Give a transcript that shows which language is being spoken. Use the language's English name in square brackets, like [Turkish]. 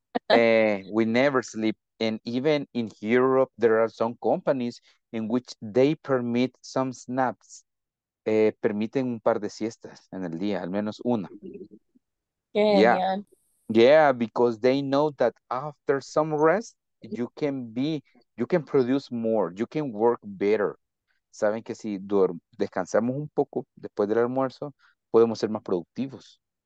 [English] We never sleep, and even in Europe, there are some companies in which they permit some snaps. [Spanish] Permiten un par de siestas en el día, al menos una. [English] Yeah. [Spanish] Genial. [English] Yeah, because they know that after some rest, you can produce more, you can work better. [Spanish] Saben que si descansamos un poco después del almuerzo, podemos ser más productivos.